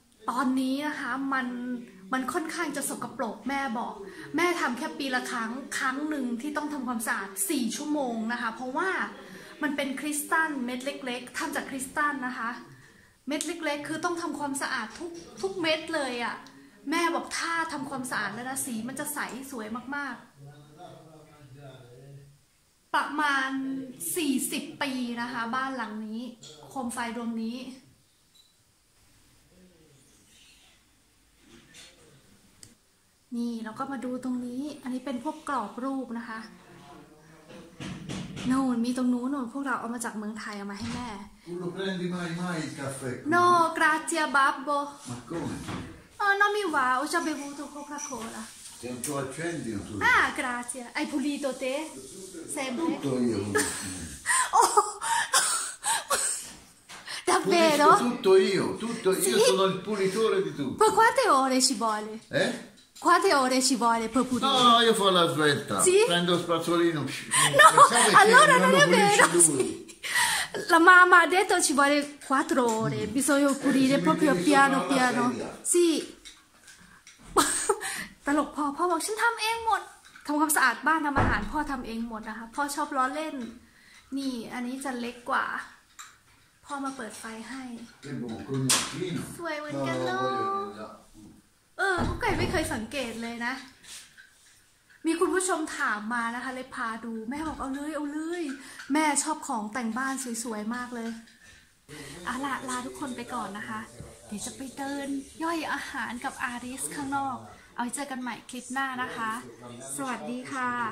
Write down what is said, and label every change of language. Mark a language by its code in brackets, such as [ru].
[th] ตอนนี้นะคะมันค่อนข้างจะสกปรกแม่บอกแม่ทำแค่ปีละครั้งหนึ่งที่ต้องทำความสะอาด4ชั่วโมงนะคะเพราะว่ามันเป็นคริสตัลเม็ดเล็กๆทำจากคริสตัลนะคะเม็ดเล็กๆคือต้องทำความสะอาดทุกเม็ดเลยอ่ะแม่บอกถ้าทำความสะอาดแล้วนะสีมันจะใสสวยมากๆประมาณ40ปีนะคะบ้านหลังนี้โคมไฟดวงนี้ นี่เราก็มาดูตรงนี้อันนี้เป็นพวกกรอบรูปนะคะโน่นมีตรงนู้นโน่นพวกเราเอามาจากเมืองไทยเอามาให้แม่ [it] Uno prendi mai mai il caffè? No, grazie babbo. Ma come? Oh, non mi va, ho già bevuto Coca-Cola. Ti un po' accendi o tu? Ah, grazie. Hai pulito te? Sempre. Tutto io. Oh! Davvero? Tutto io. Sì? Io sono il pulitore di tutto. Per quante ore ci vuole? Quante ore ci vuole per pulire? No, io fa la svelta. Sì? Prendo il spazzolino. No, allora non è vero. Sì. La mamma ha detto ci vuole 4 ore. Mm. Bisogna pulire proprio piano piano. Sì. [th] ตลกพ่อพ่อบอกฉันทำเองหมดทำความสะอาดบ้านทำอาหารพ่อทำเองหมดนะคะพ่อชอบล้อเล่นนี่อันนี้จะเล็กกว่าพ่อมาเปิดไฟให้เ ป็นบุญ สวยเหมือนกันเนาะเออกูไก่ไม่เคยสังเกตเลยนะมีคุณผู้ชมถามมานะคะเลยพาดูแม่บอกเอาเลยแม่ชอบของแต่งบ้านสวยๆมากเลยเอาล่ะลาทุกคนไปก่อนนะคะเดี๋ยวจะไปเดินย่อยอาหารกับอาริสข้างนอกเอาไว้เจอกันใหม่คลิปหน้านะคะสวัสดีค่ะ